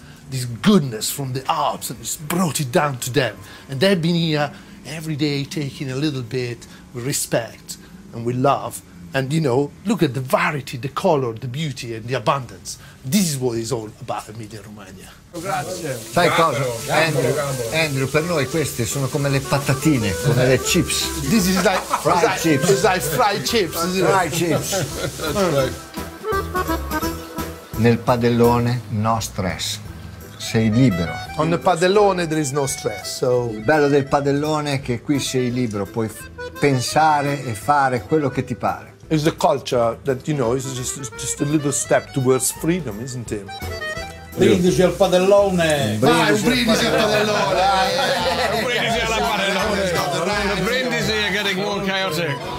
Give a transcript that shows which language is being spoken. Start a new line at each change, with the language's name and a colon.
English: This goodness from the Alps and it's brought it down to them. And they've been here every day taking a little bit with respect and with love And you know, look at the variety, the color, the beauty, and the abundance. This is what is all about Emilia Romagna.
Italian: Grazie. Sai cosa? Andrew, per noi queste sono come le patatine, come le chips.
English: This is like fried chips. This is like fried chips. Fried chips. That's right.
Italian: Nel padellone, no stress. Sei libero.
English: On the padellone there is no stress. So.
Italian: Il bello del padellone è che qui sei libero, puoi pensare e fare quello che ti pare.
English: It's the culture that, you know, is just a little step towards freedom, isn't it?
Italian: Brindisi al padellone! Brindisi al padellone! Brindisi al padellone!
English: Brindisi are getting more chaotic.